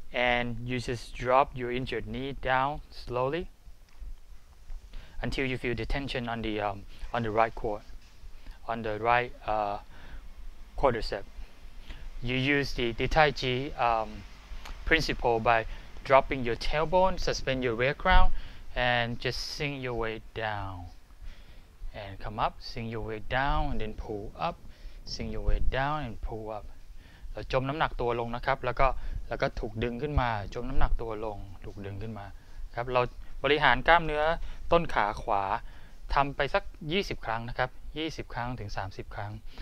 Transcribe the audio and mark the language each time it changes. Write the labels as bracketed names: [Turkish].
[English] and you just drop your injured knee down slowly until you feel the tension on the quadricep you use the tai chi principle bydropping your tailbone, suspend your rear crown, and just sink your weight down. And come up, sink your weight down, and then pull up, sink your weight down, and pull up. [Thai] เราจมน้ำหนักตัวลงนะครับแล้วก็ถูกดึงขึ้นมาจมน้ำหนักตัวลงถูกดึงขึ้นมาครับเราบริหารกล้ามเนื้อต้นขาขวาทำไปสัก20ครั้งนะครับ20ครั้งถึง30ครั้ง